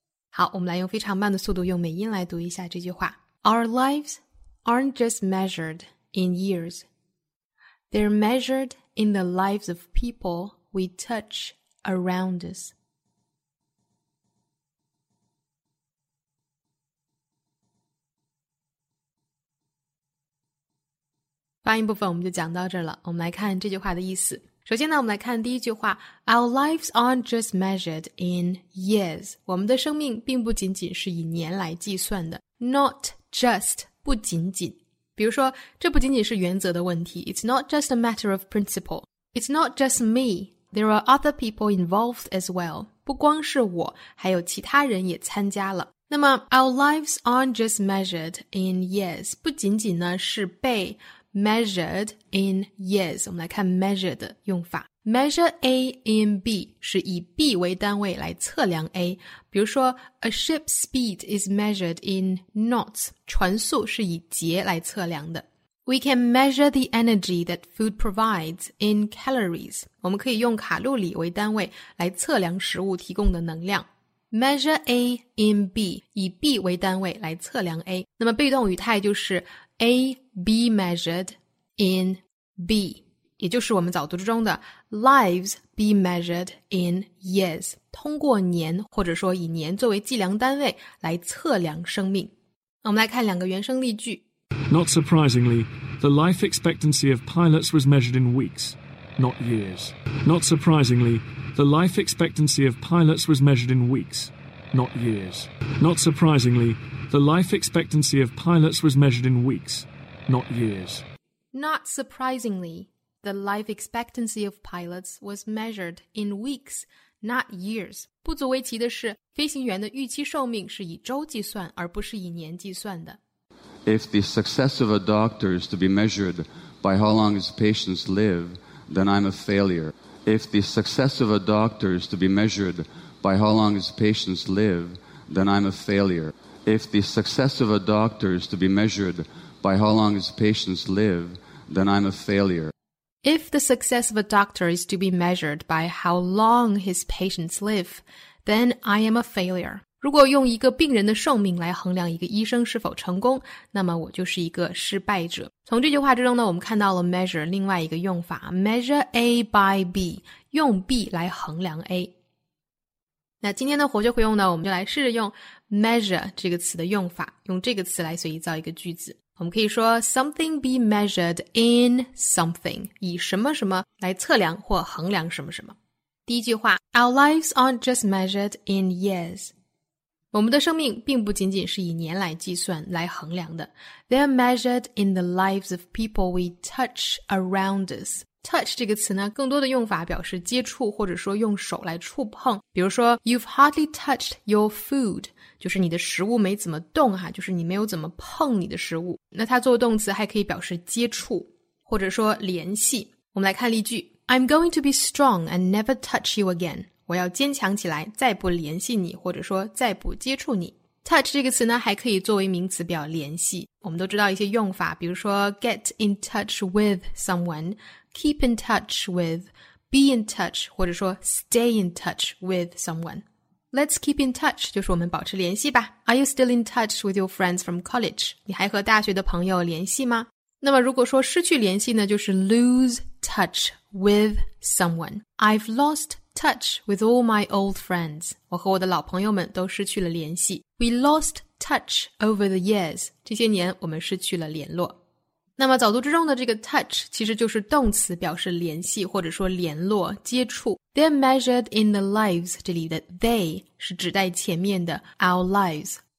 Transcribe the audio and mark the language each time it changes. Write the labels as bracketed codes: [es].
[zh] 好，我们来用非常慢的速度用美音来读一下这句话。 [en] Our lives aren't just measured in years. They're measured in the lives of people we touch around us. [zh] 发音部分我们就讲到这儿了，我们来看这句话的意思。首先呢，我们来看第一句话 [en] Our lives aren't just measured in years. [zh] 我们的生命并不仅仅是以年来计算的。 [en] Not just, [zh] 不仅仅。比如说，这不仅仅是原则的问题。 [en] It's not just a matter of principle. It's not just me. There are other people involved as well. [zh] 不光是我，还有其他人也参加了。那么 [en] Our lives aren't just measured in years. [zh] 不仅仅呢，是被 [en] Measured in years. [zh] 我们来看 measure 的用法。 [en] Measure A in B [zh] 是以 B 为单位来测量 A。 [en] 比如说 ,A ship's speed is measured in knots. [zh] 船速是以节来测量的。 [en] We can measure the energy that food provides in calories. [zh] 我们可以用卡路里为单位来测量食物提供的能量。 [en] Measure A in B, [zh] 以 B 为单位来测量 [en] A. [zh] 那么被动语态就是 [en] A be measured in B, [zh] 也就是我们早读之中的 [en] lives be measured in years, [zh] 通过年或者说以年作为计量单位来测量生命。那我们来看两个原生例句。 [en] Not surprisingly, the life expectancy of pilots was measured in weeks, not years. Not surprisingly, the life expectancy of pilots was measured in weeks, not years. Not surprisingly, the life expectancy of pilots was measured in weeks, not years. Not surprisingly, the life expectancy of pilots was measured in weeks, not years. [zh] 不足为奇的是，飞行员的预期寿命是以周计算，而不是以年计算的。 [en] If the success of a doctor is to be measured by how long his patients live, then I'm a failure. If the success of a doctor is to be measured by how long his patients live, then I'm a failure. If the success of a doctor is to be measured by how long his patients live, then I'm a failure. If the success of a doctor is to be measured by how long his patients live, then I am a failure. [zh] 如果用一个病人的寿命来衡量一个医生是否成功，那么我就是一个失败者。从这句话之中呢，我们看到了 measure 另外一个用法 , [en] measure A by B, [zh] 用 B 来衡量 A。那今天的活学会用呢，我们就来试着用 measure 这个词的用法，用这个词来随意造一个句子。我们可以说 [en] something be measured in something, [zh] 以什么什么来测量或衡量什么什么。第一句话 [en] ,our lives aren't just measured in years. [zh] 我们的生命并不仅仅是以年来计算来衡量的。 [en] They are measured in the lives of people we touch around us. [zh] Touch 这个词呢，更多的用法表示接触或者说用手来触碰。比如说 , [en] you've hardly touched your food, [zh] 就是你的食物没怎么动啊，就是你没有怎么碰你的食物。那它做动词还可以表示接触或者说联系。我们来看例句。 [en] I'm going to be strong and never touch you again. [zh] 我要坚强起来，再不联系你，或者说再不接触你。 Touch 这个词呢，还可以作为名词表联系。我们都知道一些用法，比如说 [en] get in touch with someone, keep in touch with, be in touch, [zh] 或者说 [en] stay in touch with someone. Let's keep in touch, [zh] 就是我们保持联系吧。 [en] Are you still in touch with your friends from college? [zh] 你还和大学的朋友联系吗？那么如果说失去联系呢，就是 [en] lose touch with someone. I've lost touch with all my old friends. [zh] 我和我的老朋友们都失去了联系。 [en] We lost touch over the years. [zh] 这些年我们失去了联络。那么早读之中的这个 touch 其实就是动词表示联系或者说联络接触。 [en] They're measured in the lives. [zh] 这里的 they 是指代前面的 [en] our lives.